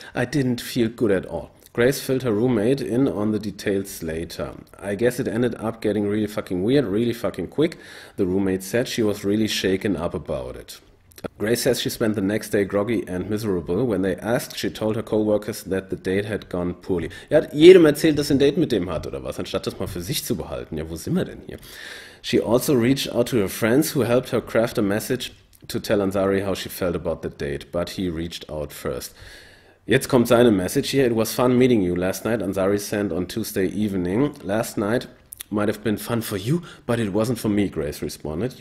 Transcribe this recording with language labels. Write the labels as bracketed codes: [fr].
[en] I didn't feel good at all. Grace filled her roommate in on the details later. I guess it ended up getting really fucking weird, really fucking quick. The roommate said she was really shaken up about it. Grace says she spent the next day groggy and miserable. When they asked, she told her co-workers that the date had gone poorly. [de] Er hat jedem erzählt, dass er ein Date mit dem hat oder was, anstatt das mal für sich zu behalten. Ja, wo sind wir denn hier? [en] She also reached out to her friends who helped her craft a message to tell Ansari how she felt about the date, but he reached out first. [de] Jetzt kommt seine Message hier. [en] It was fun meeting you last night, Ansari sent on Tuesday evening. Last night might have been fun for you, but it wasn't for me, Grace responded.